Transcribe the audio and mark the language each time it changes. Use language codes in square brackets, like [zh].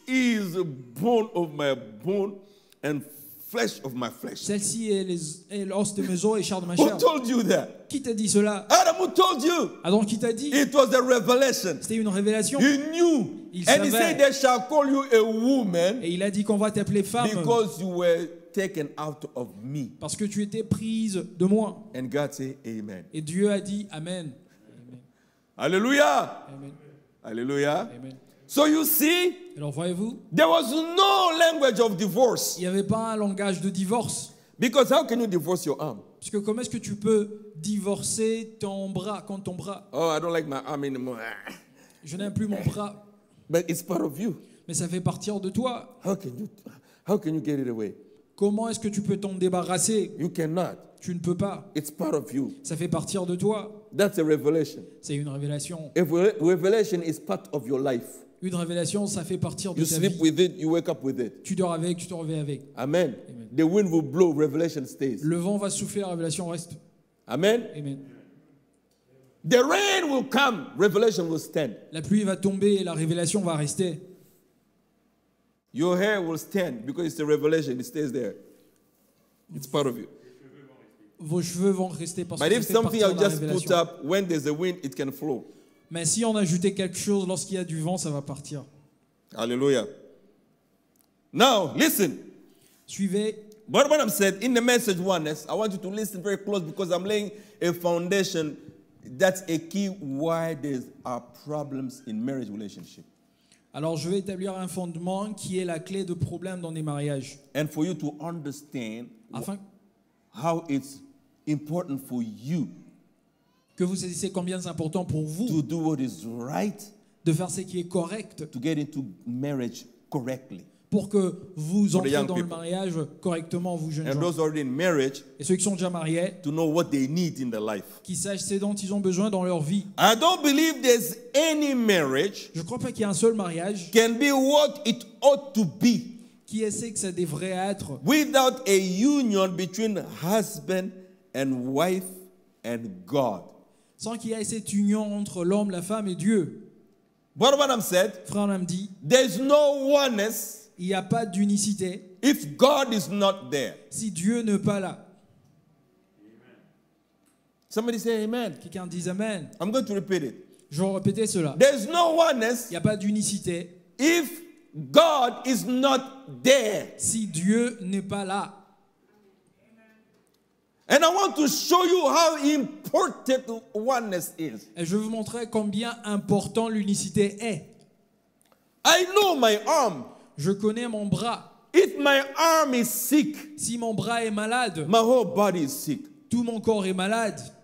[en] is bone of my bone and flesh of my flesh. [fr] Celle-ci est l'os de mes os et chair de ma chair. [en] Who told you that? [fr] Qui t'a dit cela? [en] Adam, who told you? [fr] Adam, qui t'a dit? [en] It was a revelation. [fr] C'était une révélation. [en] He knew. [fr] Il [en] and [fr] savait. [en] He said they shall call you a woman. [fr] Et il a dit qu'on va t'appeler femme. [en] Because you were taken out of me. [fr] Parce que tu étais prise de moi. [en] And God said amen. [fr] Et Dieu a dit amen. Alléluia. Amen. Alléluia. Amen. [en] So you see, [fr] alors voyez-vous, [en] there was no language of divorce. [fr] Il n'y avait pas un langage de divorce. [en] Because how can you divorce your arm? [fr] Parce que comment est-ce que tu peux divorcer ton bras quand ton bras? [en] Oh, I don't like my arm anymore. [fr] Je n'aime plus mon bras. [en] But it's part of you. [fr] Mais ça fait partie de toi. [en] How can you get it away? [fr] Comment est-ce que tu peux t'en débarrasser? [en] You cannot. [fr] Tu ne peux pas. [en] It's part of you. [fr] Ça fait partie de toi. [en] That's a revelation. [fr] C'est une révélation. [en] A revelation is part of your life. [fr] Une révélation, ça fait partir de [en] you [fr] ta [en] sleep [fr] vie. [en] With it, you wake up with it. [fr] Tu dors avec, tu te réveilles avec. [en] Amen. Amen. The wind will blow, revelation stays. [fr] Le vent va souffler, la révélation reste. Amen. Amen. [en] The rain will come, revelation will stand. [fr] La pluie va tomber et la révélation va rester. [en] Your hair will stand because it's a revelation, it stays there. It's part of you. [fr] Vos cheveux vont rester parce [en] but [fr] que [en] if something I'll just put up when there's a wind, it can flow. [fr] Mais si on ajoutait quelque chose lorsqu'il y a du vent, ça va partir. [en] Hallelujah. Now, listen. [fr] Suivez. [en] But what I'm saying in the message oneness, I want you to listen very close because I'm laying a foundation that's a key why there are problems in marriage relationship. [fr] Alors, je vais établir un fondement qui est la clé de problèmes dans les mariages. [en] And for you to understand [fr] afin [en] how it's important for you [fr] que vous saisissez combien c'est important pour vous [en] to do what is right, [fr] de faire ce qui est correct [en] to get into marriage correctly, [fr] pour que vous entrez dans le mariage correctement, vous jeunes [en] and [fr] gens. [en] Those already in marriage, [fr] et ceux qui sont déjà mariés [en] to know what they need in their life, [fr] qui sachent ce dont ils ont besoin dans leur vie. [en] I don't believe there's any marriage, [fr] je ne crois pas qu'il y ait un seul mariage [en] can be what it ought to be, [fr] qui essaie que ça devrait être [en] without a union between husband and wife and God. [fr] Sans qu'il y ait cette union entre l'homme, la femme et Dieu. [en] But what I'm said, [fr] Frère Nam dit, [en] there's no oneness, [fr] il n'y a pas d'unicité [en] if God is not there. [fr] Si Dieu n'est pas là. [en] Amen. Somebody say amen. [fr] Quelqu'un dit amen. [en] I'm going to repeat it. [fr] Je vais répéter cela. [en] There's no oneness, [fr] il n'y a pas d'unicité [en] if God is not there. [fr] Si Dieu n'est pas là. [en] And I want to show you how important oneness is. [fr] Et je veux vous montrer combien important l'unicité est. [en] I know my arm. [fr] Je connais mon bras. [en] If my arm is sick, [fr] si mon bras est malade, [en] my whole body is sick. [fr] Tout mon corps est malade.